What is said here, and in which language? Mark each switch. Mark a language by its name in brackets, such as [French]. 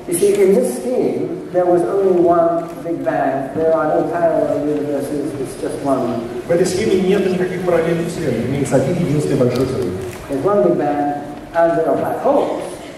[English] You see, in this scheme, there was only one Big Bang. There are no parallel universes. It's just one. [Russian] В этой схеме нет никаких параллельных вселенных. Имеется один единственный большой взрыв. [English] There's one Big Bang, and there are black holes.